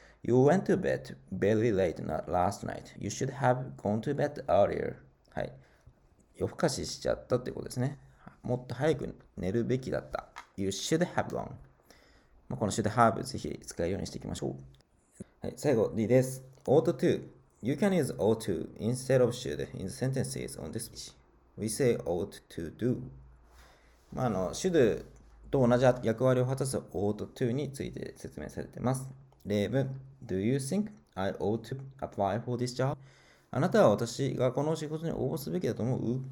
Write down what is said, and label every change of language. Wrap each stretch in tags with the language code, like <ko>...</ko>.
<en>You went to bed very late last night. You should have gone to bed earlier. はい。</en> <ja>夜更かししちゃったってことですね。もっと早く寝るべきだった。 You should have gone。この should have ぜひ使うようにしていきましょう。はい、最後 D です。ought to.</ja> <en>You can use ought to instead of should in the sentences on this page.</en> <ja>We say ought to do. まあ、should と同じ役割を果たす ought to について説明されています。例文。</ja> <en>Do you think I ought to apply for this job?</en> <ja>あなたは私がこの仕事に応募すべきだと思う？</ja>